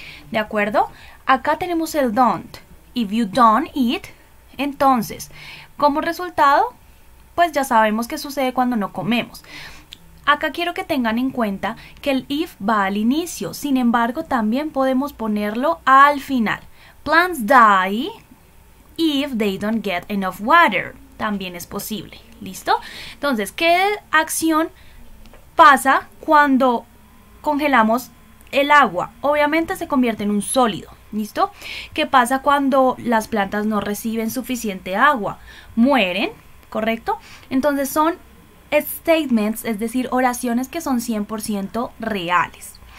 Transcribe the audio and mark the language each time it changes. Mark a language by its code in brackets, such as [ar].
[es] ¿De acuerdo? Acá tenemos el don't. [en] If you don't eat, [es] entonces, como resultado, pues ya sabemos qué sucede cuando no comemos. Acá quiero que tengan en cuenta que el if va al inicio. Sin embargo, también podemos ponerlo al final. [en] Plants die if they don't get enough water. [es] También es posible. ¿Listo? Entonces, ¿qué acción pasa cuando congelamos el agua? Obviamente se convierte en un sólido, ¿listo? ¿Qué pasa cuando las plantas no reciben suficiente agua? Mueren, ¿correcto? Entonces son statements, es decir, oraciones que son 100% reales.